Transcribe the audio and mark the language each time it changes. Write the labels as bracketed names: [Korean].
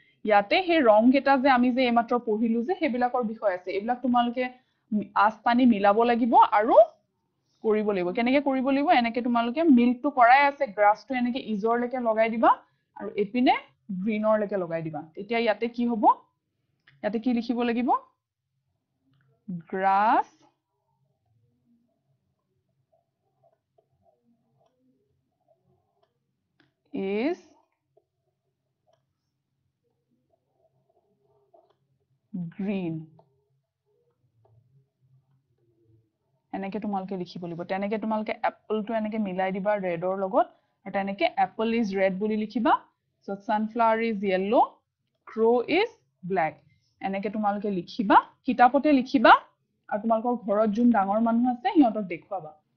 [Assamese] ইয়াতে সেই ৰংকেইটা যে আমি যে এইমাত্ৰ পঢ়িলো যে সেইবিলাকৰ বিষয় আছে। এইবিলাক তোমালোকে আস্তানি মিলাব লাগিব আৰু কৰিব লাগিব। কেনেকে কৰিব লাগিব? এনেকে তোমালোকে মিল্কটো কৰাই আছে, গ্ৰাছটো এনেকে ইজৰলৈকে লগাই দিবা আৰু এপিনে গ্ৰীণৰ লৈকে লগাই দিবা। তেতিয়া ইয়াতে কি হ'ব, ইয়াতে কি লিখিব লাগিব, [English] grass is green, [Assamese] এনেকে তোমালোকে লিখিব লাগিব। তেনেকে তোমালোকে এপলটো এনেকে মিলাই দিবা ৰেডৰ লগত আৰু তেনেকে [English] apple is red [Assamese] বুলি লিখিবা। [English] so sunflower is yellow, crow is black, [Assamese] এনেকে তোমালোকে লিখিবা, কিতাপতে লিখিবা আর তোমালোকৰ ঘৰত যোন ডাঙৰ মানুহ আছে সিহঁতক দেখুৱাবা।